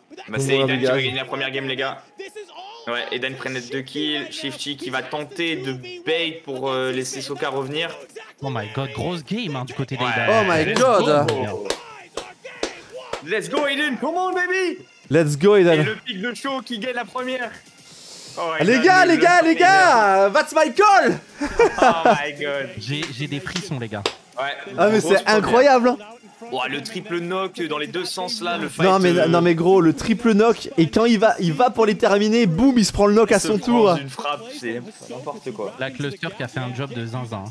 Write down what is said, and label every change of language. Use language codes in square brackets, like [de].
[fr] Bah, c'est Eden qui va gagner la première game, les gars. Ouais, Eden prend net 2 kills. Shifty qui va tenter de bait pour laisser Soka revenir. [en] Oh my god, [fr] grosse game hein, du côté d'Eden. [en] Oh my god. Let's go, Eden. Come on, baby. Let's go, Eden. [fr] Et le pick de show qui gagne la première. [en] Oh, [fr] les gars, [en] that's my call. Oh my god. [fr] J'ai des frissons, les gars. Ouais. Ah, mais c'est incroyable. Ouah, le triple knock dans les deux sens là, le fight. Non mais, non mais gros, le triple knock, et quand il va pour les terminer, boum, il se prend le knock il à son tour. Une frappe, c'est n'importe quoi. La cluster qui a fait un job de zinzin.